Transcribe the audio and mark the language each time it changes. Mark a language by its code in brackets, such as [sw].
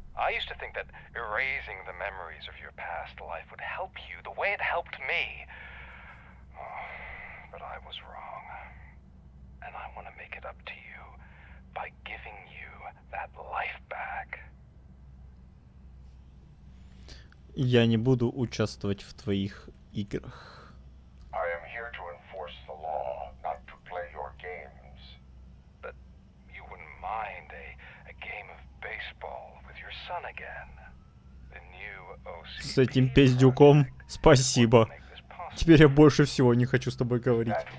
[en] I used to think that erasing the memories of your past life would help you the way it helped me. But I was wrong, and I want to make it up to you by giving you that life back. [ru] Я не буду участвовать в твоих играх. [en] I am here to enforce the law, not to play your games. But you wouldn't mind a game of baseball with your son again. The new OCP. [ru] С этим пиздюком, спасибо. Теперь я больше всего не хочу с тобой говорить.